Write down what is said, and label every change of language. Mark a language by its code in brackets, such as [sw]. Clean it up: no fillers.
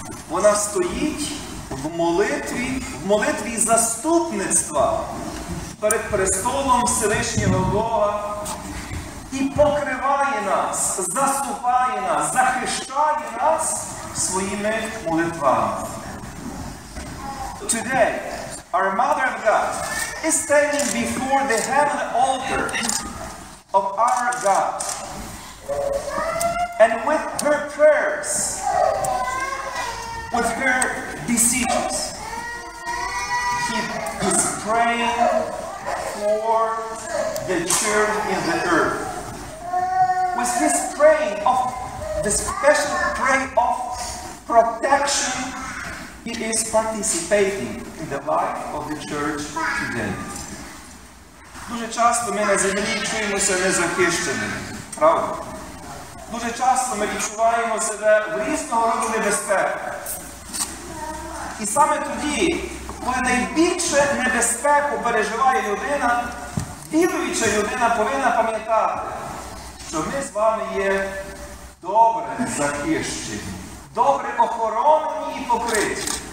[uk] Вона стоїть в молитві заступництва перед престолом Всевишнього Бога і покриває нас, заступає нас, захищає нас своїми молитвами. [en] Today, our Mother of God is standing before the heavenly altar of our God. And with her prayers, with her beseeches, he is praying for the church in the earth. With his praying of the special prayer of protection, he is participating in the life of the church today. [uk] Дуже часто ми на землі чуємося незахищеними, правда? Дуже часто ми відчуваємо себе в різного роду небезпеках. І саме тоді, коли найбільше небезпеку переживає людина, віруюча людина повинна пам'ятати, що ми з вами є добре захищені, добре охоронені і покриті.